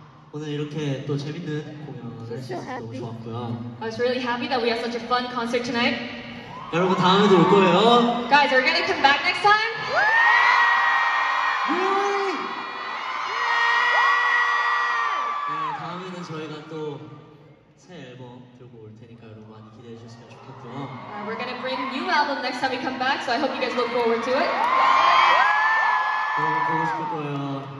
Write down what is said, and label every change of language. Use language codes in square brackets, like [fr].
[ko] 오늘 이렇게 또 재밌는 공연을 so 너무 좋았고요. [en] I was really happy that we had such a fun concert tonight. [ko] 여러분 다음에도 올 거예요. [en] Guys, are we gonna come back next time? Really? [ko] Yeah. 네, 다음에는 저희가 또 새 앨범 들고 올 테니까 여러분 많이 기대해 주셨으면 좋겠고요. [en] We're gonna bring a new album next time we come back, so I hope you guys look forward to it.